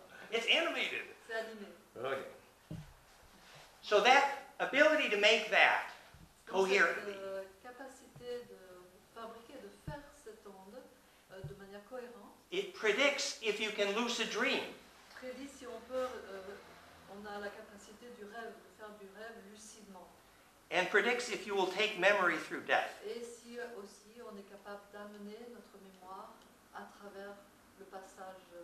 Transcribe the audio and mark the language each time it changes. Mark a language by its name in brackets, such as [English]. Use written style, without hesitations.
[English] It's animated. Okay. So that ability to make that coherently. [French] Capacité de fabriquer, de faire cette onde de manière cohérente. [English] It predicts if you can lucid dream. [French] Prédit si on peut, on a la capacité du rêve, de faire du rêve lucidement. [English] And predicts if you will take memory through death. [French] Et si aussi on est capable d'amener notre mémoire à travers le passage.